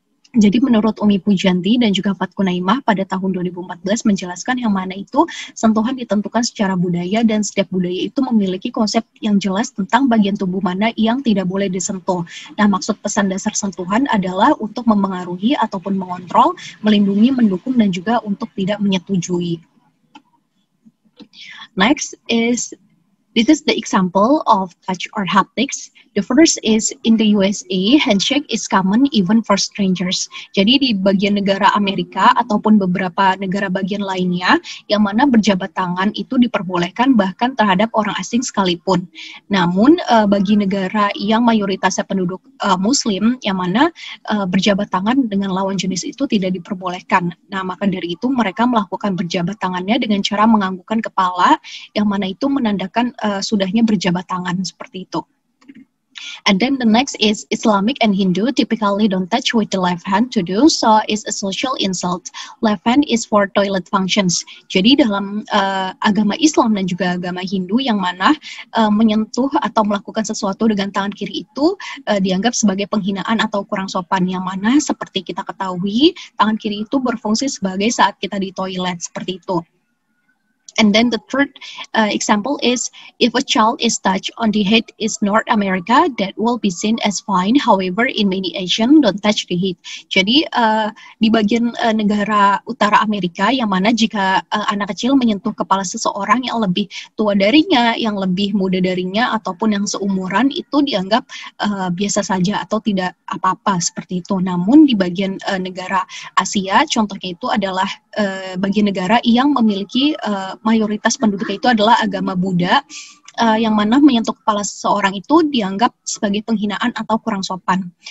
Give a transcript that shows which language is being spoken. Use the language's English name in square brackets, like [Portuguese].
[Indonesian] Jadi menurut Umi Pujanti dan juga Fat Kunaimah pada tahun 2014 menjelaskan yang mana itu sentuhan ditentukan secara budaya, dan setiap budaya itu memiliki konsep yang jelas tentang bagian tubuh mana yang tidak boleh disentuh. Nah, maksud pesan dasar sentuhan adalah untuk memengaruhi ataupun mengontrol, melindungi, mendukung, dan juga untuk tidak menyetujui. [English] Next is This is the example of touch or haptics. The first is in the USA, handshake is common even for strangers. [Indonesian] Jadi di bagian negara Amerika ataupun beberapa negara bagian lainnya, yang mana berjabat tangan itu diperbolehkan bahkan terhadap orang asing sekalipun. Namun bagi negara yang mayoritasnya penduduk Muslim, yang mana berjabat tangan dengan lawan jenis itu tidak diperbolehkan. Nah, maka dari itu mereka melakukan berjabat tangannya dengan cara menganggukkan kepala, yang mana itu menandakan sudahnya berjabat tangan seperti itu. [English] And then the next is Islamic and Hindu typically don't touch with the left hand to do so is a social insult. Left hand is for toilet functions. [Indonesian] Jadi dalam agama Islam dan juga agama Hindu yang mana menyentuh atau melakukan sesuatu dengan tangan kiri itu dianggap sebagai penghinaan atau kurang sopan, yang mana seperti kita ketahui tangan kiri itu berfungsi sebagai saat kita di toilet seperti itu. [English] And then the third example is, if a child is touched on the head in North America, that will be seen as fine. However, in many Asian, don't touch the head. [Indonesian] Jadi, di bagian negara utara Amerika, yang mana jika anak kecil menyentuh kepala seseorang yang lebih tua darinya, yang lebih muda darinya, ataupun yang seumuran, itu dianggap biasa saja atau tidak apa-apa seperti itu. Namun, di bagian negara Asia, contohnya itu adalah bagian negara yang memiliki mayoritas penduduk itu adalah agama Buddha, yang mana menyentuh kepala seseorang itu dianggap sebagai penghinaan atau kurang sopan.